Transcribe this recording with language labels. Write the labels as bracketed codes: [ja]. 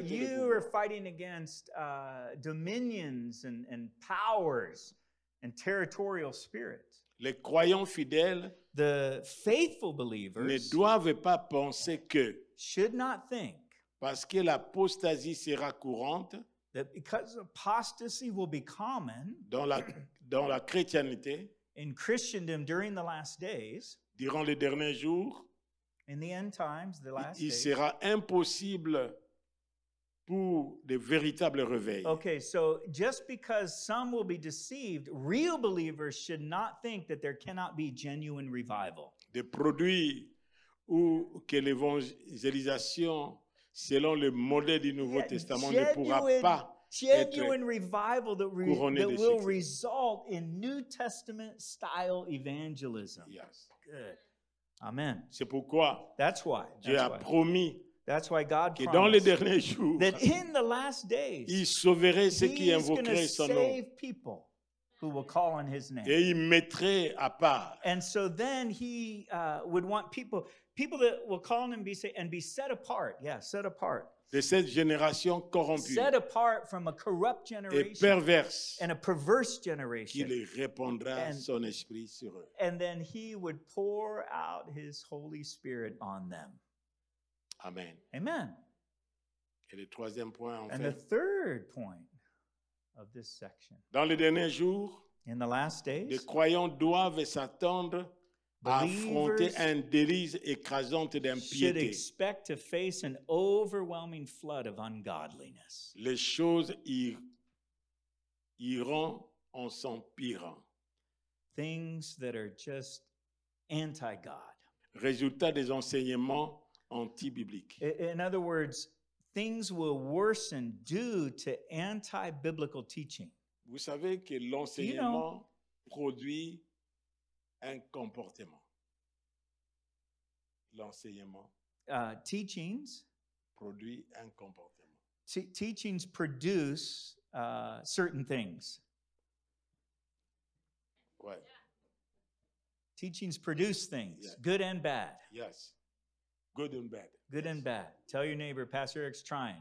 [en] But you are fighting against dominions and powers and territorial spirits. [fr] Les croyants fidèles, [en] the faithful believers, [fr] ne doivent pas penser que, [en] should not think, [fr] parce que l'apostasie sera courante, [en] that because apostasy will be common, [fr] dans la chrétienté, [en] in Christendom during the last days, [fr] durant les derniers jours, [en] in the end times, the last [fr] il sera impossible pour des véritables réveils. [en] Okay, so just because some will be deceived, real believers should not think that there cannot be genuine revival. [fr] Des produits ou que l'évangélisation selon le modèle du Nouveau Testament ne pourra pas [en] genuine revival that will result in New Testament style evangelism. Yes. Good. Amen. [fr] C'est pourquoi [en] that's why [fr] Dieu a promis. [en] That's why God [fr] que dans les derniers jours, [en] that in the last days, [fr] il sauverait ceux qui invoqueraient son nom. [en] Save people who will call on his name. [fr] Et il mettrait à part. [en] And so then he would want people that will call on him be set apart. Yeah, set apart. [fr] De cette génération corrompue. [en] Set apart from a corrupt generation. [fr] Et perverse. [en] And a perverse generation. [fr] Qui les répandra son esprit sur eux. [en] And then he would pour out his Holy Spirit on them. [fr] Amen. [en] Amen. [fr] Et le troisième point, [en] and the third point of this section. [fr] Dans les derniers jours, [en] in the last days, [fr] les croyants doivent s'attendre à affronter un déluge écrasant d'impiété. [en] Should expect to face an overwhelming flood of ungodliness. [fr] Les choses iront en s'empirant. [en] Things that are just anti-God. [fr] Résultat des enseignements anti-biblique. [en] In other words, things will worsen due to anti-biblical teaching. [fr] Vous savez que l'enseignement produit un comportement. L'enseignement [en] teachings [fr] produit un comportement. [en] Teachings produce certain things. [fr] Ouais. [en] Teachings produce things, yes. Good and bad. Yes. Good and bad. Good and bad. Tell your neighbor, Pastor Eric's trying.